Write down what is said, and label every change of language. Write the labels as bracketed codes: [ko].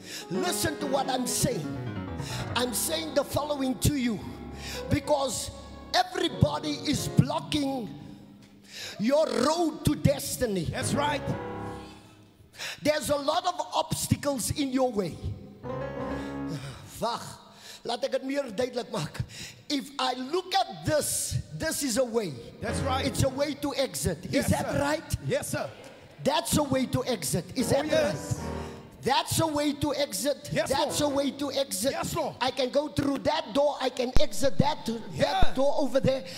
[en] Listen to what I'm saying. I'm saying the following to you, because everybody is blocking your road to destiny. That's right. There's a lot of obstacles in your way. [nl] Wacht, laat ik het meer duidelijk maken. [en] If I look at this, this is a way. That's right. It's a way to exit. Yes, is that sir. Right? Yes, sir. That's a way to exit. Is that yes. Right? That's a way to exit. Yes, that's Lord. A way to exit. Yes, Lord. I can go through that door. I can exit that door over there.